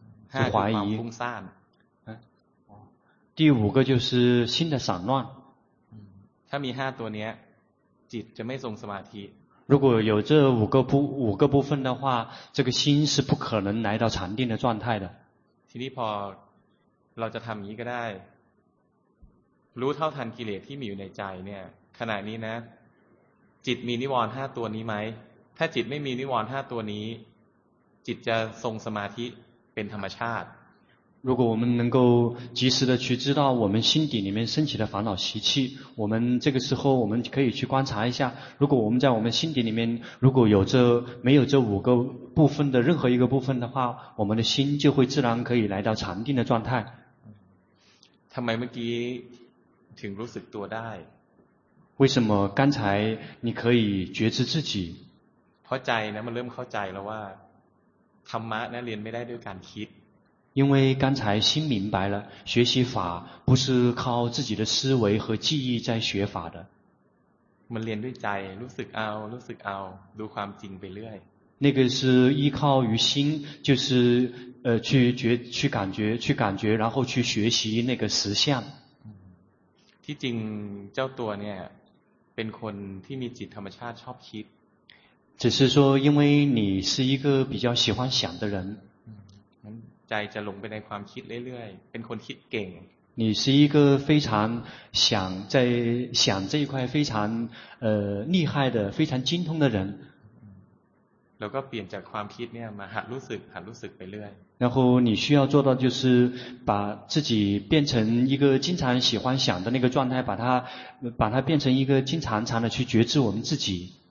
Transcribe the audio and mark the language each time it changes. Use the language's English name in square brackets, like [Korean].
[Thai] 5คือความฟุ้งซ่าน [Chinese] 第五个就是心的散乱 [Thai] ถ้ามี5ตัวนี้จิตจะไม่ทรงสมาธิ [Chinese] 如果有这五个部分的话这个心是不可能来到禅定的状态的 [Thai] ทีนี้พอเราจะทำอย่างนี้ก็ได้รู้เท่าทันกิเลสที่มีอยู่ในใจเนี่ยขณะนี้นะจิตมีนิวรณ์5ตัวนี้ไหมถ้าจิตไม่มีนิวรณ์5ตัวนี้จิตจะทรงสมาธิเป็นธรรมชาติ [Chinese] 如果我们能够及时的去知道我们心底里面升起的烦恼习气，我们这个时候我们可以去观察一下，如果我们在我们心底里面如果有这没有这五个部分的任何一个部分的话，我们的心就会自然可以来到禅定的状态。 [Thai] ทำไมเมื่อกี้ถึงรู้สึกตัวได้ [Chinese] 为什么刚才你可以觉知自己 [Thai] เพราะใจนะมันเริ่มเข้าใจแล้วว่าธรรมะนะเรียนไม่ได้ด้วยการคิด [Chinese] 因为刚才心明白了学习法不是靠自己的思维和记忆在学法的 [Thai] มันเรียนด้วยใจรู้สึกเอารู้สึกเอาดูความจริงไปเรื่อย [Chinese] 那个是依靠于心就是去感觉然后去学习那个实相 [Thai] ที่จริงเจ้าตัวเนี่ยเป็นคนที่มีจิตธรรมชาติชอบคิด [Chinese] 只是说因为你是一个比较喜欢想的人 [Thai] ใจจะหลงไปในความคิดเรื่อยๆเป็นคนคิดเก่ง [Chinese] 你是一个非常想在想这一块非常厉害的非常精通的人 [Thai] แล้วก็เปลี่ยนจากความคิดเนี่ยมาหัดรู้สึกหัดรู้สึกไปเรื่อย [Chinese] 然后你需要做到就是把自己变成一个经常喜欢想的那个状态把它变成一个经常常的去觉知我们自己